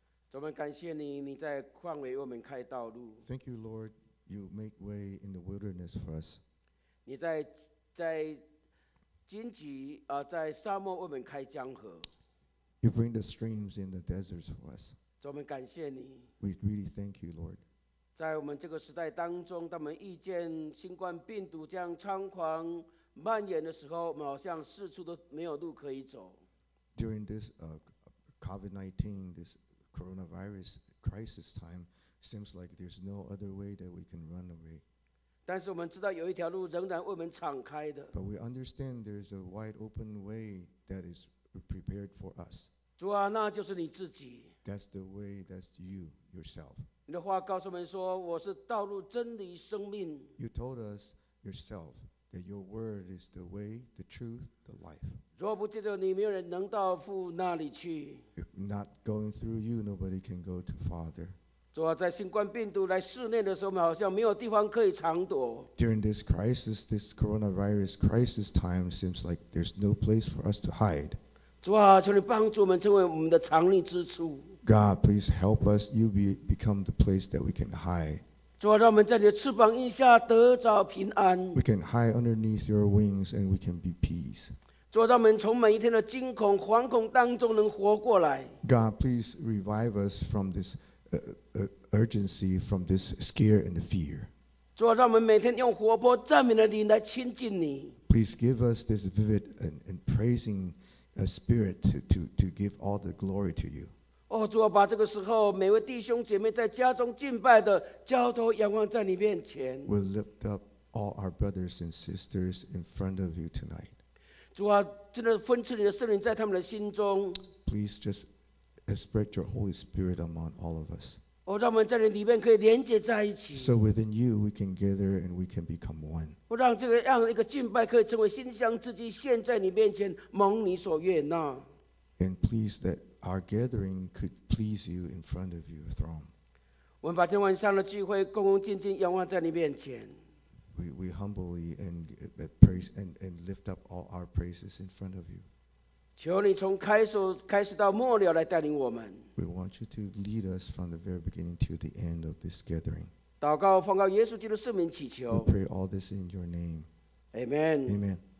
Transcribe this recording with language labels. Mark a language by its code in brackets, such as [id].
[zh] 主，我们感谢你，你在旷野为我们开道路。 [en] Thank you, Lord. You make way in the wilderness for us. [zh] 你在荆棘啊，在沙漠为我们开江河。 [en] You bring the streams in the deserts for us. [zh] 主，我们感谢你。 [en] We really thank you, Lord. [zh] 在我们这个时代当中，当我们遇见新冠病毒这样猖狂蔓延的时候，我们好像四处都没有路可以走。 [en] During this COVID-19, this coronavirus crisis time, seems like there's no other way that we can run away. [zh] 但是我们知道有一条路仍然为我们敞开的。 [en] But we understand there's a wide open way that is prepared for us. [zh] 主啊，那就是你自己。 [en] That's the way, that's you, yourself. [zh] 你的话告诉我们说，我是道路、真理、生命。 [en] You told us yourself. That your word is the way, the truth, the life. [zh] 若不借着你，没有人能到父那里去。 [en] If not going through you, nobody can go to Father. [zh] 主啊，在新冠病毒来肆虐的时候，我们好像没有地方可以藏躲。 [en] During this crisis, this coronavirus crisis time, seems like there's no place for us to hide. [zh] 主啊，求你帮助我们成为我们的藏匿之处。 [en] God, please help us. You become the place that we can hide. [zh] 主啊，让我们在你的翅膀荫下得着平安。 [en] We can hide underneath your wings and we can be peace. [zh] 主啊，让我们从每一天的惊恐、惶恐当中能活过来。 [en] God, please revive us from this urgency, from this scare and fear. [zh] 主啊，让我们每天用活泼赞美的灵来亲近你。 [en] Please give us this vivid and praising spirit to give all the glory to you. [zh] 哦，主啊，把这个时候每位弟兄姐妹在家中敬拜的交头仰望在你面前。 [en] We lift up all our brothers and sisters in front of you tonight. [zh] 主啊，真的分赐你的圣灵在他们的心中。 [en] Please just spread your Holy Spirit among all of us. [zh] 哦，让我们在你里面可以连接在一起。 [en] So within you we can gather and we can become one. [zh] 我让这个样一个敬拜可以成为馨香之祭，献在你面前，蒙你所悦纳。 [en] And please that. Our gathering could please you in front of your throne. [zh] 我们把今晚上的聚会恭恭敬敬仰望在你面前。 [en] We humbly and praise and lift up all our praises in front of you. [zh] 求你从开始到末了来带领我们。 [en] We want you to lead us from the very beginning to the end of this gathering. [zh] 祷告奉告耶稣基督圣名祈求。 [en] We pray all this in your name. Amen. Amen.